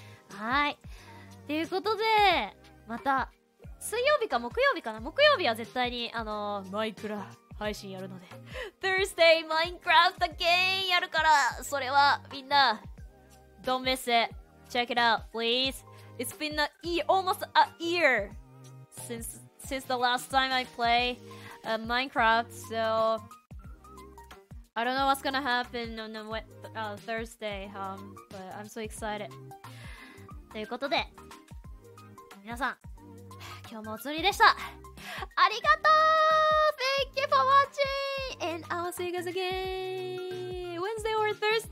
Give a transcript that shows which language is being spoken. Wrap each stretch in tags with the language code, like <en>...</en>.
<ja>うん、はい、ということでまた水曜日か木曜日かな、木曜日は絶対にマイクラ配信やるので</ja> <en>Thursday Minecraft again</en> <ja>やるから、それはみんな</ja> <en>Don't miss it. Check it out please. It's been a year, almost a year since the last time I play Minecraft. So I don't know what's gonna happen on Thursday, but I'm so excited.</en> <ja>ということで皆さん今日もおつりでした。ありがとう。</ja> <en>Thank you for watching. And I'll see you guys again Wednesday or Thursday.</en>